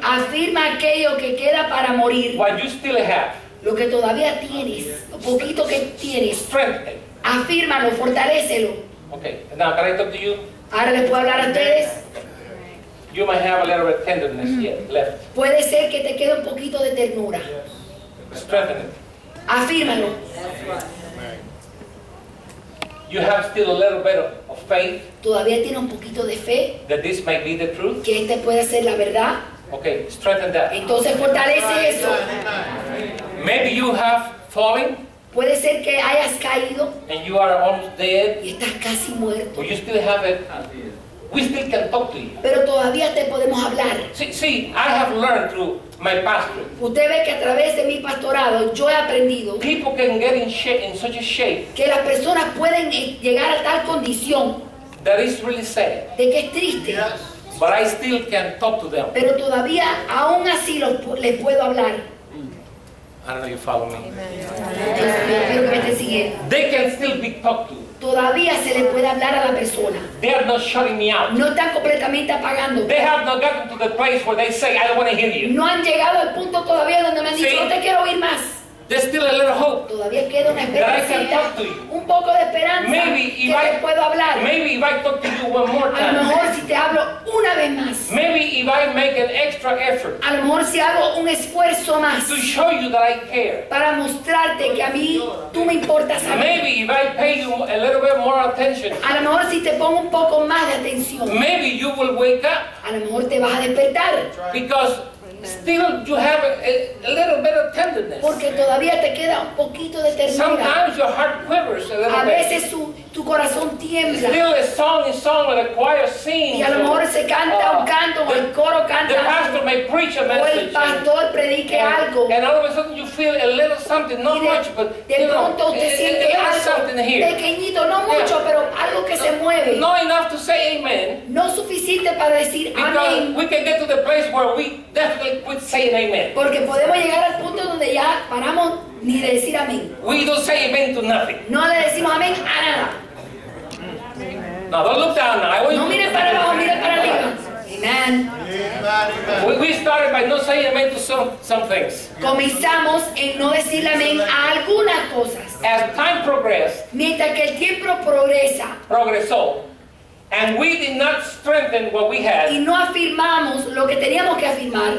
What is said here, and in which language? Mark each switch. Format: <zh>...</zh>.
<es>Afirma aquello que queda para morir.</es> <en>What you still have.</en> <es>Lo que todavía tienes. Lo poquito que tienes.</es> <en>Strengthen.</en> <es>Afírmalo, fortalécelo.</es> <en>Okay, now can I talk to you?</en> <es>Ahora les puedo hablar a ustedes.</es> <en>You might have a little bit of tenderness yet left.</en> <es>Puede ser que te quede un poquito de ternura.</es> <en>Yes. Strengthen it.</en> <es>Afírmalo.</es> <en>You have still a little bit of faith.</en> <es>Todavía tiene un poquito de fe.</es> <en>That this might be the truth.</en> <es>Que este puede ser la verdad.</es> <en>Okay, strengthen that.</en> <es>Entonces fortalece eso.</es> <en>Maybe you have fallen.</en> <es>Puede ser que hayas caído.</es> <en>And you are almost dead.</en> <es>Y estás casi muerto.</es> <en>But you still have it. We still can talk to you.</en> <es>Pero todavía te podemos hablar.</es> <en>See, I have learned through my pastor.</en> <es>Usted ve que a través de mi pastorado yo he aprendido.</es> <en>People can get in shape, in such a shape.</en> <es>Que las personas pueden llegar a tal condición.</es> <en>That is really sad.</en> <es>De que es triste.</es> <en>Yes. But I still can talk to them.</en> <es>Pero todavía, aún así, les puedo hablar.</es> <en>I don't know if you follow me. Amen. They can still be talked to.</en> <es>Todavía se le puede hablar a la persona.</es> <en>They are not shutting me out.</en> <es>No están completamente apagando.</es> <en>They have not gotten to the place where they say, I don't want to hear you.</en> <es>No han llegado al punto todavía donde me han dicho, no te quiero oír más.</es> <en>There's still a little hope.</en> <es>Todavía queda una esperanza.</es> <en>That I can talk to you.</en> <es>Un poco de esperanza.</es> <en>Maybe if</en> <es>que</es> <en>I</en> <es>puedo hablar.</es> <en>Maybe if I talk to you one more time.</en> <es>A lo mejor si te hablo una vez más.</es> <en>Maybe if I make an extra effort.</en> <es>A lo mejor si hago un esfuerzo más.</es> <en>To show you that I care.</en> <es>Para mostrarte que a mí tú me importas a mí.</es> <en>Maybe if I pay you a little bit more attention.</en> <es>A lo mejor si te pongo un poco más de atención.</es> <en>Maybe you will wake up.</en> <es>A lo mejor te vas a despertar.</es> <en>Because still, you have a little bit of tenderness.</en> <es>Porque todavía te queda un poquito de ternura.</es> <en>Sometimes your heart quivers a little bit.</en> <es>A veces tu corazón tiembla.</es> <en>Still, a song is sung or the choir sings.</en> <es>Y a lo mejor se canta un canto o el coro canta.</es> <en>The pastor may preach a message.</en> <es>O el pastor predique algo.</es> <en>And all of a sudden you feel a little something, not much, but</en> <es>de pronto usted siente algo pequeñito, no mucho, pero algo que se mueve.</es> <en>Not enough to say amen.</en> <es>No suficiente para decir amén.</es> <en>Because we can get to the place where we definitely quit saying amen.</en> <es>Porque podemos llegar al punto donde ya paramos ni de decir amén.</es> <en>We don't say amen to nothing.</en> <es>No le decimos amén a nada.</es> <en>No, don't look down now.</en> <es>No mire para abajo, mire para arriba. Amen.</es> <en>We started by not saying amen to some things.</en> <es>Comenzamos en no decir amén a algunas cosas.</es> <en>As time progressed.</en> <es>Mientras que el tiempo progresa. Progresó.</es> <en>And we did not strengthen what we had.</en> <es>Y no afirmamos lo que teníamos que afirmar.</es>